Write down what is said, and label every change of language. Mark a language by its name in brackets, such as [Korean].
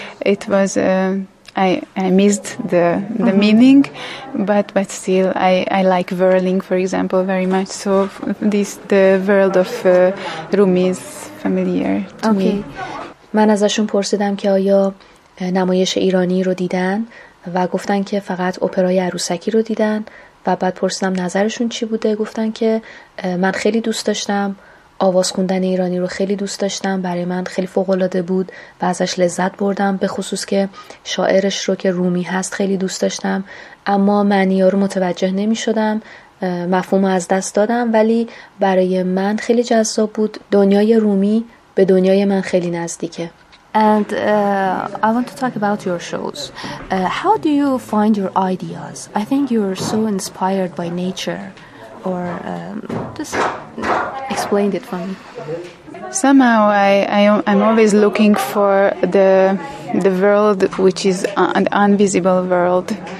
[English] It was I missed the mm-hmm. meaning, but still I like whirling, for example, very much. So the world of Rumi is familiar to okay. me. [Persian] من ازشون پرسیدم که آیا نمایش ایرانی رو دیدن و گفتن که فقط اپرای عروسکی رو دیدن و بعد پرسیدم نظرشون چی بوده، گفتن که من خیلی دوست داشتم، آواز خوندن ایرانی رو خیلی دوست داشتم، برای من خیلی فوق‌العاده بود و ازش لذت بردم، به خصوص که شاعرش رو که رومی هست خیلی دوست داشتم، اما معنی ها رو متوجه نمی شدم، مفهوم رو از دست دادم، ولی برای من خیلی جذاب بود، دنیای رومی به دنیای من خیلی نزدیکه. [English] And I want to talk about your shows. How do you find your ideas? I think you're so inspired by nature. Or just explain it for me. Somehow I'm always looking for the world which is an invisible world.